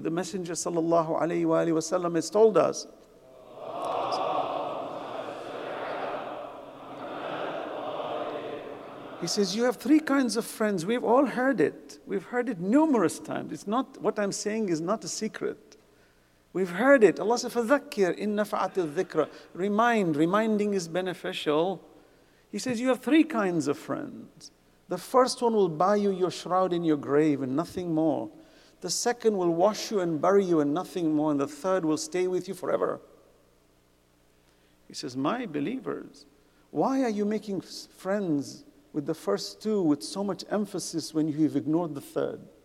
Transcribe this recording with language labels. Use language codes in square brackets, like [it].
[en] The Messenger sallallahu alayhi wa alayhi wa sallam has told us. He says, you have three kinds of friends. We've all heard it. We've heard it numerous times. It's not, what I'm saying is not a secret. We've heard it. Allah says, [ar] فَذَكِّرْ إِنَّ فَعَتِ الذِّكْرَ. [en] Remind. Reminding is beneficial. He says, you have three kinds of friends. The first one will buy you your shroud in your grave and nothing more. The second will wash you and bury you and nothing more. And the third will stay with you forever. He says, my believers, why are you making friends with the first two with so much emphasis when you have ignored the third?